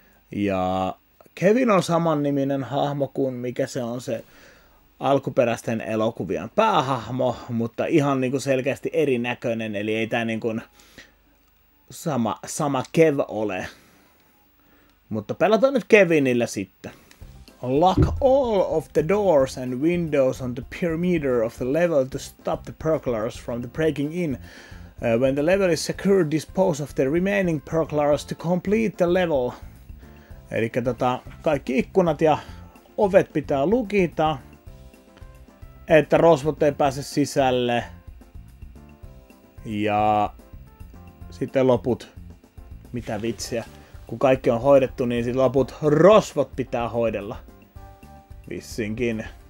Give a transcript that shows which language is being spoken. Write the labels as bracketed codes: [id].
[fi] Ja Kevin on samanniminen hahmo kuin mikä se on se alkuperäisten elokuvien päähahmo, mutta ihan niinku selkeästi erinäköinen, eli ei tää niinku sama Kev ole. Mutta pelataan nyt Kevinillä sitten. [en] Lock all of the doors and windows on the perimeter of the level to stop the burglars from the breaking in. When the level is secure, dispose of the remaining burglars to complete the level. [fi] Eli kaikki ikkunat ja ovet pitää lukita, että rosvot ei pääse sisälle. Ja sitten loput. Mitä vitsiä. Kun kaikki on hoidettu, niin sitten loput rosvot pitää hoidella. Vissinkin.